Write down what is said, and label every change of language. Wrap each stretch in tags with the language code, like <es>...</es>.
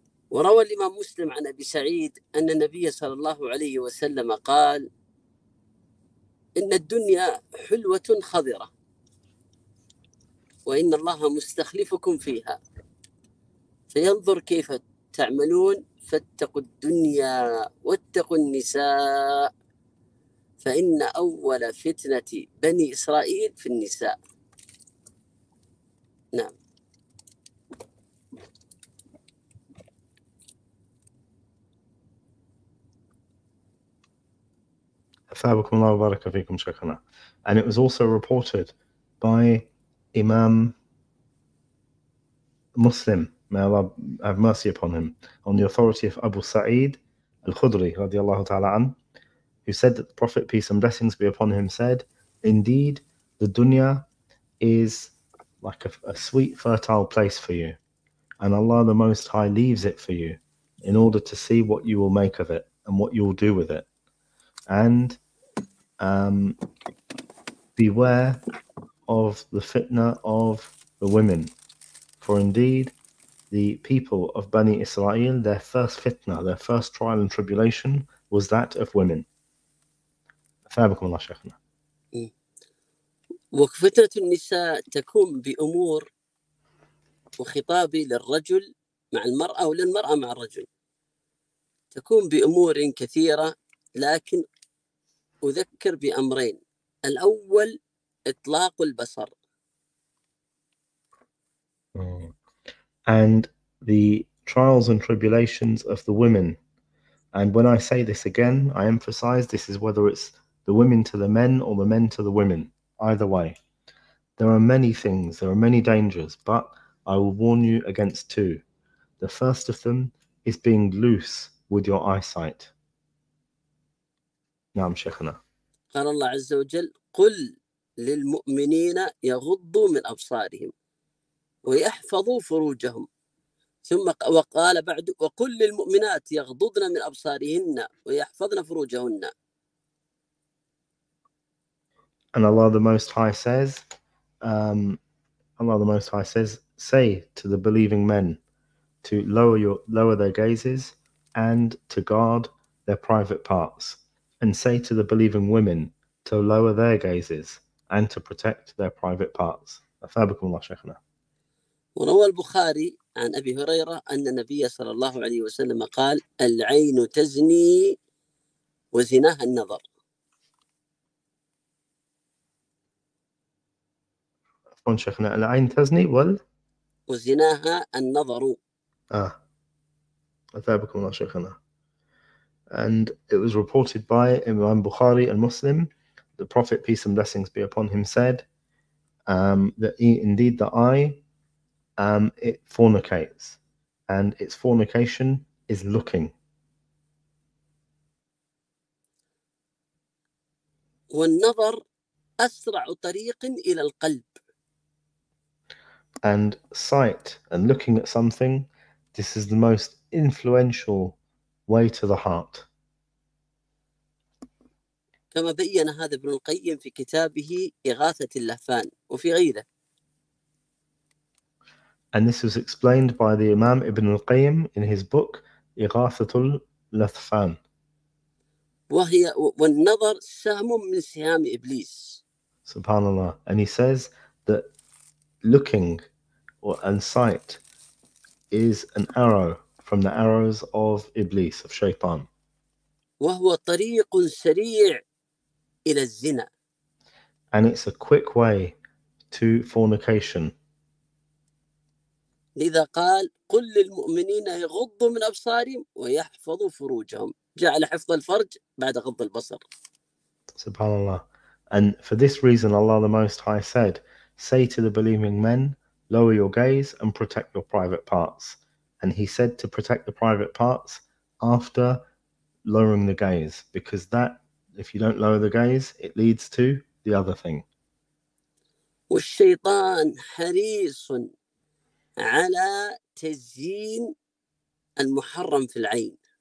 <ar>وروى الإمام مسلم عن أبي سعيد أن النبي صلى الله عليه وسلم قال إن الدنيا حلوة خضرة وإن الله مستخلفكم فيها فينظر كيف تعملون فاتقوا الدنيا واتقوا النساء فإن أول فتنة بني إسرائيل في النساء. نعم. أثابكم الله وبارك فيكم شيخنا.</ar> <en>And it was also reported by Imam Muslim, may Allah have mercy upon him, on the authority of Abu Sa'id al-Khudri</en> <ar>radiallahu ta'ala an,</ar> <en>who said that the Prophet, peace and blessings be upon him, said, indeed, the dunya is like a sweet, fertile place for you, and Allah the Most High leaves it for you in order to see what you will make of it and what you will do with it. And beware of the fitna of the women, for indeed the people of Bani Israel, their first fitna, their first trial and tribulation was that of women.</en> <ar>أثابكم الله شيخنا. وفتنة النساء تكون بأمور وخطاب للرجل مع المرأة أو للمرأة مع الرجل, تكون بأمور كثيرة, لكن أذكر بأمرين. الأول إطلاق البصر.</ar> <en>And the trials and tribulations of the women. And when I say this again, I emphasize this is whether it's the women to the men or the men to the women. Either way, there are many things, there are many dangers, but I will warn you against two. The first of them is being loose with your eyesight.</en> <ar>نعم شيخنا. قال الله عز وجل قل للمؤمنين يغضوا من أبصارهم ويحفظوا فروجهم ثم وقال بعد وقل للمؤمنات يغضضن من أبصارهن ويحفظن فروجهن.</ar> <en>And Allah the Most High says, Allah the Most High says, say to the believing men to lower their gazes and to guard their private parts, and say to the believing women to lower their gazes and to protect their private parts.</en> <ar>أثابكم الله شيخنا. وروى البخاري عن أبي هريرة أن النبي صلى الله عليه وسلم قال العين تزني وزناها النظر. عفواً شيخنا, العين تزني وال وزناها النظر. أثابكم الله شيخنا.</ar> <en>And it was reported by Imam Bukhari and Muslim, the Prophet, peace and blessings be upon him, said that indeed the eye, it fornicates, and its fornication is looking.</en> <ar>والنظر أسرع طريق إلى القلب.</ar> <en>And sight and looking at something, this is the most influential way to the heart.</en> <ar>كما بين هذا ابن القيم في كتابه إغاثة اللهفان وفي غيره.</ar> <en>And this was explained by the Imam Ibn al-Qayyim in his book Ighathatul Lathfan.</en> <ar>وهي والنظر سهم من سهام إبليس. Subhanallah.</ar> <en>And he says that looking and sight is an arrow from the arrows of Iblis, of Shaytan.</en> <ar>وهو طريق سريع إلى الزنا.</ar> <en>And it's a quick way to fornication.</en> <ar>لذا قال قل للمؤمنين يغضوا من أبصارهم ويحفظوا فروجهم, جعل حفظ الفرج بعد غض البصر. Subhanallah.</ar> <en>And for this reason Allah the Most High said, say to the believing men, lower your gaze and protect your private parts. And he said to protect the private parts after lowering the gaze, because that, if you don't lower the gaze, it leads to the other thing.</en> <ar>والشيطان حريص على تزيين المحرم في العين.</ar>